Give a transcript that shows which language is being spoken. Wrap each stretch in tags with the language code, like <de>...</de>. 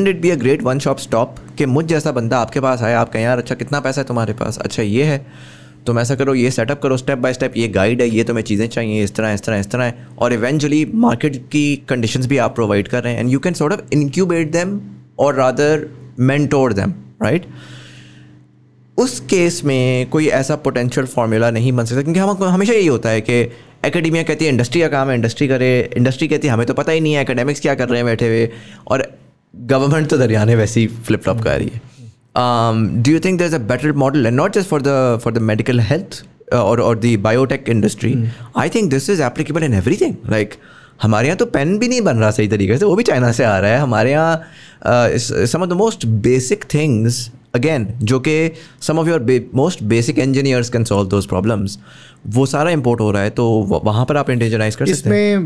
<en>a great one shop stop</en> <ur>کہ مجھ جیسا بندہ آپ کے پاس آیا, آپ کہیں یار اچھا کتنا پیسہ ہے تمہارے پاس, اچھا یہ ہے تم ایسا کرو, یہ سیٹ اپ کرو اسٹیپ بائی اسٹیپ, یہ گائیڈ ہے, یہ تمہیں چیزیں چاہیے, اس طرح ہیں, اور ایونچولی مارکیٹ کی کنڈیشنز بھی آپ پرووائڈ کر رہے ہیں,</ur> <en>And you can sort of incubate them اور rather mentor them right.</en> <ur>اس کیس میں کوئی ایسا پوٹینشیل فارمولا نہیں بن سکتا, کیونکہ ہمیشہ یہی ہوتا ہے کہ اکیڈیمیا کہتی ہے انڈسٹری کا کام ہے انڈسٹری کرے, انڈسٹری کہتی ہے ہمیں تو پتہ ہی نہیں ہے اکیڈیمکس کیا کر رہے ہیں بیٹھے ہوئے, اور گورنمنٹ تو دریانے ویسی فلپ فلاپ کر رہی ہے.</ur> <en>Do you think there's a better model and not just for the medical health or the biotech industry? I think this is applicable in everything.</en> <ur>Like ہمارے یہاں تو پین بھی نہیں بن رہا صحیح طریقے سے, وہ بھی چائنا سے آ رہا ہے. ہمارے یہاں</ur> <en>some of the most basic things again</en> <ur>جو کہ</ur> <en>some of your most basic engineers can solve those problems,</en> <ur>وہ سارا امپورٹ ہو رہا ہے, تو وہاں پر آپ انڈیجنائز کر سکتے ہیں.</ur>